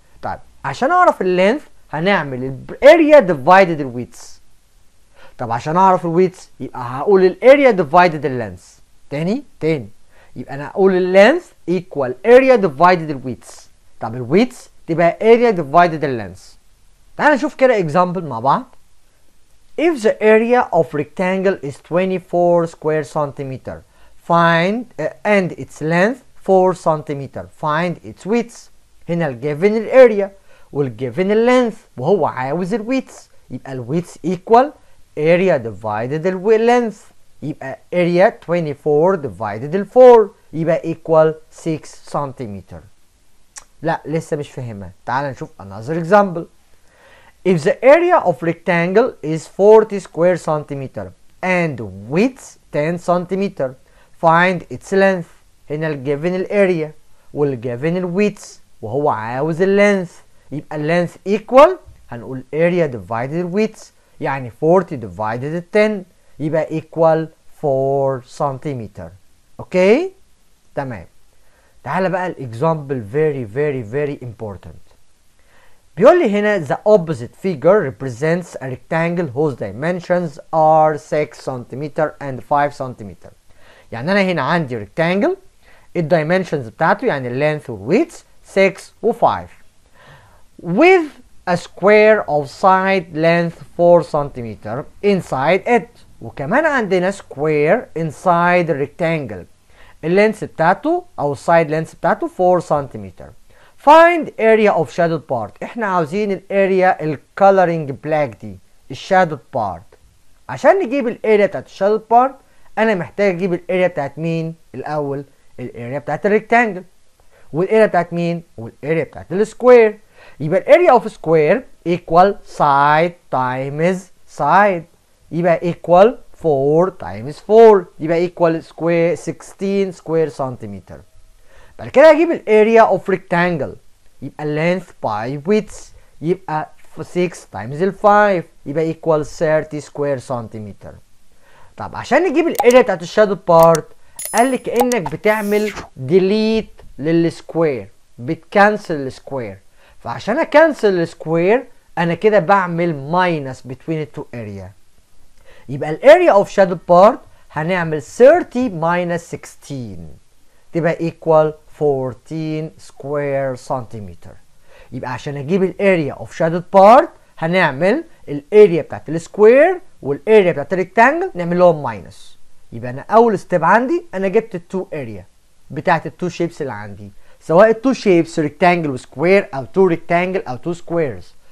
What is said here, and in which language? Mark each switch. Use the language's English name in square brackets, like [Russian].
[Arabic] طيب عشان اعرف اللينث هنعمل الاريا ديفايدد الويتس. طب عشان اعرف الويتس يبقى هقول الاريا ديفايدد اللينث. تاني يبقى انا هقول اللينث ايكوال اريا ديفايدد الويتس. طب الويتس يبقى [English] area divided length. [Arabic] تعال نشوف كده example مع بعض. [English] If the area of rectangle is 24 square centimeter, find and its length 4 centimeter, find its width. [Arabic] هنا ال given area وال given length وهو عاوز ال width. [English] يبقى ال width equal area divided length. يبقى area 24 divided 4 يبقى equal 6 centimeter. [Arabic] لا لسه مش فاهمها. تعال نشوف [English] another example. If the area of rectangle is 40 square centimeter and width 10 centimeter, find its length. [Arabic] هنا ال given area وال given width وهو عاوز ال length. [English] يبقى ال length equal هنقول area divided width، يعني 40 divided 10 يبقى equal 4 centimeter. [Arabic] اوكي تمام. تعال بقى الاكزامبل [English] very very very important. [Arabic] بيقول لي هنا [English] the opposite figure represents a rectangle whose dimensions are 6 cm and 5 cm. [Arabic] يعني انا هنا عندي [English] rectangle ال dimensions بتاعته يعني length و width 6 و 5 with a square of side length 4 cm inside it. [Arabic] وكمان عندنا square inside the rectangle اللينث بتاعته او السايد لينث بتاعته 4 سنتيمتر. فايند اريا اوف شادو بارت. احنا عاوزين الاريا الكالرنج بلاك دي الشادو بارت. عشان نجيب الاريا بتاعت الشادو بارت انا محتاج اجيب الاريا بتاعت مين الاول؟ الاريا بتاعت الريكتانجل. والاريا بتاعت مين؟ والاريا بتاعت السكوير. يبقى الاريا اوف سكوير ايكوال سايد تايمز سايد يبقى ايكوال 4 times 4 يبقى equal square 16 square centimeter. [English] بعد كده هجيب ال area of rectangle يبقى length by width يبقى 6 times 5 يبقى equal 30 square centimeter. [Arabic] طب عشان نجيب ال area بتاعت ال shadow part قال لي كأنك بتعمل delete لل square بتcancel ال square. فعشان اكنسل ال square انا كده بعمل [English] minus between the two area. يبقى ال area of shadow part هنعمل 30 minus 16 تبقى equal 14 square centimeter. [Arabic] يبقى عشان اجيب ال area of shadow part هنعمل ال area بتاعت ال square وال area بتاعت rectangle نعملهم minus. يبقى انا اول step عندي انا جبت ال two area بتاعت ال two shapes اللي عندي، سواء ال two shapes rectangle و square او two rectangle او two squares.